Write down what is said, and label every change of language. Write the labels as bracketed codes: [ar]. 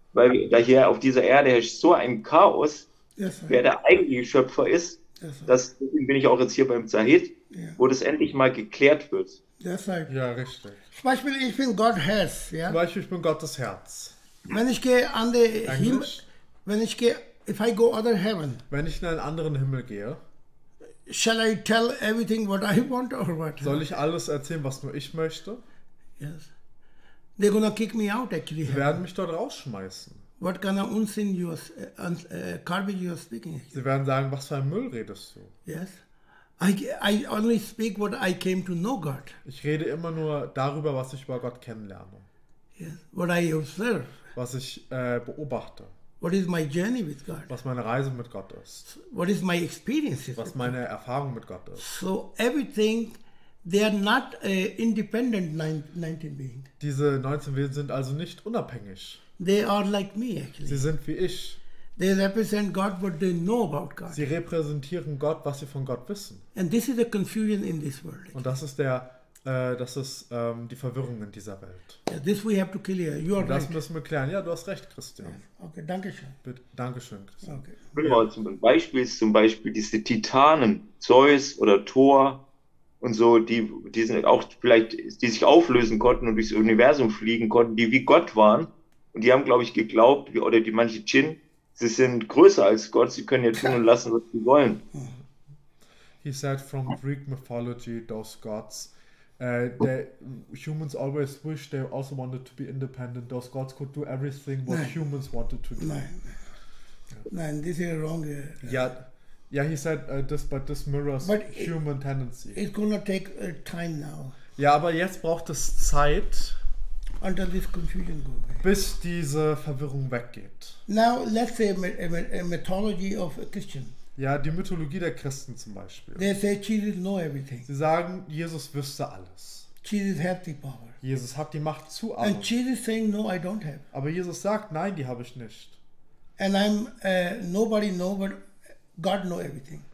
[de] Weil da hier auf dieser Erde herrscht so ein Chaos, yes, wer der eigentliche Schöpfer ist. Deswegen bin ich auch jetzt hier beim Zahid, ja, wo das endlich mal geklärt wird. Deshalb. Ja, richtig. Zum Beispiel, ich bin Gottes Herz. Ja? Zum Beispiel, ich bin Gottes Herz. Wenn ich gehe an den Himmel, wenn ich gehe, [en] if I go other heaven. [de] Wenn ich in einen anderen Himmel gehe. [en] Shall I tell everything what I want or what? [de] Soll ich alles erzählen, was nur ich möchte? [en] Yes. They're gonna kick me out actually. [de] Sie werden mich dort rausschmeißen. [en] What kind of unsinn you garbage you are speaking? [de] Sie werden sagen, was für ein Müll redest du? [en] Yes, I only speak what I came to know God. [de] Ich rede immer nur darüber, was ich über Gott kennenlerne. [en] Yes, what I observe. [de] Was ich beobachte. [en] What is my journey with God? [de] Was meine Reise mit Gott ist. [en] What is my experience? [de] Was meine Erfahrung mit Gott ist. [en] So everything, they are not independent 19 beings. [de] Diese 19 Wesen sind also nicht unabhängig. [en] They are like me, actually. [de] Sie sind wie ich. [en] They represent God, what they know about God. [de] Sie repräsentieren Gott, was sie von Gott wissen. [en] And this is the confusion in this world. [de] Und das ist der, die Verwirrung in dieser Welt. [en] Yeah, this we have to clear. You are [de] das [en] right. [de] Müssen wir klären. Ja, du hast recht, Christian. Okay, danke schön. Dankeschön, Christian. Okay. Bring mal zum Beispiel diese Titanen, Zeus oder Thor und so, die sind auch vielleicht, die sich auflösen konnten und durchs Universum fliegen konnten, die wie Gott waren. Und die haben, glaube ich, geglaubt, oder die manche Djinn, sie sind größer als Gott, sie können ja tun und lassen, was sie wollen. [en] He said, from Greek mythology, those gods, the humans always wish they also wanted to be independent. Those gods could do everything, what humans wanted to do. [de] Nein, [en] this is wrong. Yeah, he said, this mirrors but human tendency. It's gonna take time now. [de] Ja, aber jetzt braucht es Zeit. [en] Until this confusion goes away. [de] Bis diese Verwirrung weggeht. [en] Now let's say a mythology of a Christian. [de] Ja, die Mythologie der Christen zum Beispiel. [en] They say Jesus know everything. [de] Sie sagen, Jesus wüsste alles. [en] Jesus had the power. [de] Jesus hat die Macht zu allem. [en] And Jesus saying no, I don't have. [de] Aber Jesus sagt, nein, die habe ich nicht. [en] And I'm nobody know but God know everything.